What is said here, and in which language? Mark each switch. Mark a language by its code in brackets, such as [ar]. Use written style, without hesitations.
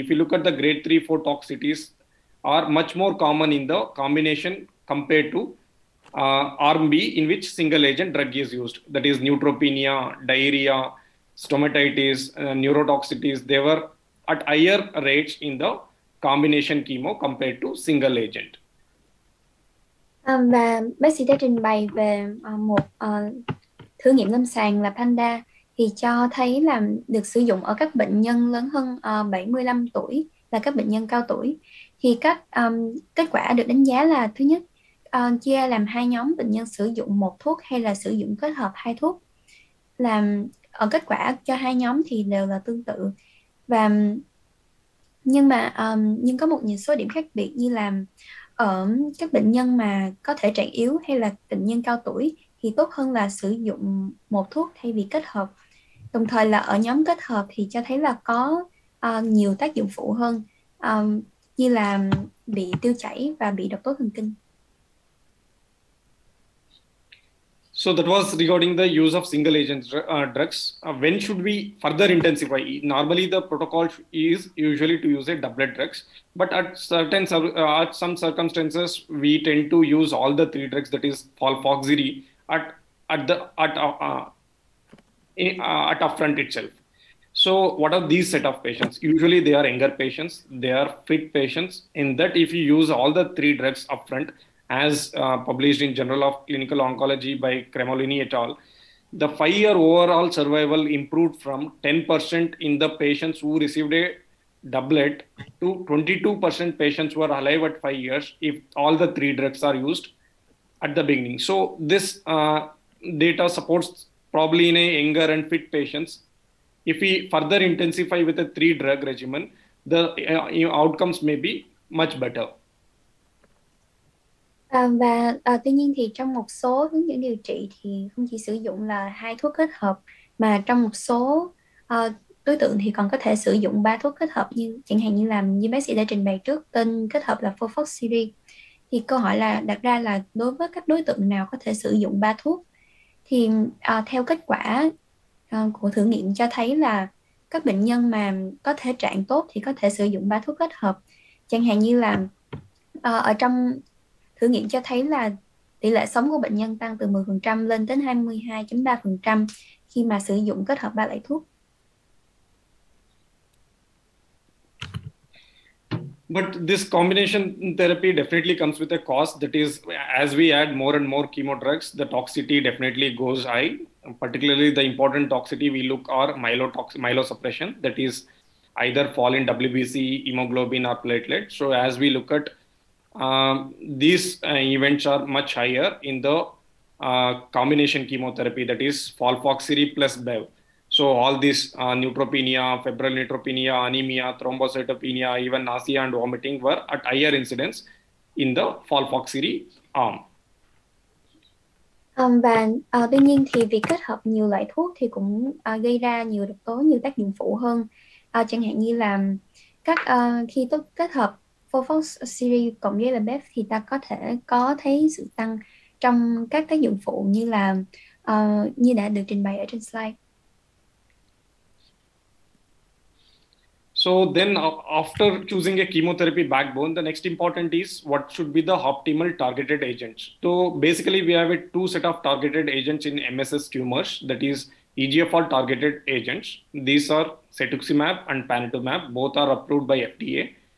[en] If you look at the grade 3-4 toxicities, are much more common in the combination compared to arm B, in which single agent drug is used. That is neutropenia, diarrhea, stomatitis, neurotoxicities. They were at higher rates in the combination chemo compared to single agent. [vi] Và bác sĩ đã trình bày về một thử nghiệm lâm sàng là Panda, thì cho thấy là được sử dụng ở các bệnh nhân lớn hơn 75 tuổi, là các bệnh nhân cao tuổi. Thì các kết quả được đánh giá là thứ nhất, chia làm hai nhóm bệnh nhân sử dụng một thuốc hay là sử dụng kết hợp hai thuốc. Làm ở kết quả cho hai nhóm thì đều là tương tự. Và nhưng mà nhưng có một những số điểm khác biệt, như là ở các bệnh nhân mà có thể trạng yếu hay là bệnh nhân cao tuổi thì tốt hơn là sử dụng một thuốc thay vì kết hợp. Đồng thời là ở nhóm kết hợp thì cho thấy là có nhiều tác dụng phụ hơn, như là bị tiêu chảy và bị độc tố thần kinh. [en] So that was regarding the use of single agent drugs. When should we further intensify? Normally the protocol is usually to use a doublet drugs, but at some circumstances we tend to use all the three drugs, that is FOLFOXIRI, at upfront itself. So what are these set of patients? Usually they are younger patients, they are fit patients. In that, if you use all the three drugs upfront, as published in Journal of Clinical Oncology by Cremolini et al., the 5-year overall survival improved from 10% in the patients who received a doublet to 22% patients who are alive at 5 years if all the three drugs are used at the beginning. So this data supports probably in a younger and fit patients. If we further intensify with a 3-drug regimen, the outcomes may be much better. [vi] Và tuy nhiên thì trong một số hướng dẫn điều trị thì không chỉ sử dụng là hai thuốc kết hợp, mà trong một số đối tượng thì còn có thể sử dụng ba thuốc kết hợp, như chẳng hạn như là như bác sĩ đã trình bày trước, tên kết hợp là FOLFOXIRI. Thì câu hỏi là đặt ra là đối với các đối tượng nào có thể sử dụng ba thuốc, thì theo kết quả của thử nghiệm cho thấy là các bệnh nhân mà có thể trạng tốt thì có thể sử dụng ba thuốc kết hợp. Chẳng hạn như là ở trong thử nghiệm cho thấy là tỷ lệ sống của bệnh nhân tăng từ 10% lên đến 22.3% khi mà sử dụng kết hợp ba loại thuốc. [en] But this combination therapy definitely comes with a cost. That is, as we add more and more chemo drugs, the toxicity definitely goes high. Particularly the important toxicity we look are myelosuppression, that is either fall in WBC, hemoglobin or platelet. So as we look at these events are much higher in the combination chemotherapy, that is FOLFOXIRI plus BEV. So all these neutropenia, febrile neutropenia, anemia, thrombocytopenia, even nausea and vomiting were at higher incidence in the FOLFOXIRI arm. [vi] Và tuy nhiên thì việc kết hợp nhiều loại thuốc thì cũng gây ra nhiều độc tố, nhiều tác dụng phụ hơn. Chẳng hạn như là các khi tốt kết hợp FOLFOXIRI cộng với là BEV thì ta có thể có thấy sự tăng trong các tác dụng phụ như là như đã được trình bày ở trên slide. [en] So then after choosing a chemotherapy backbone, the next important is what should be the optimal targeted agents. So basically we have a two set of targeted agents in MSS tumors, that is EGFR targeted agents. These are cetuximab and panitumab, both are approved by FDA.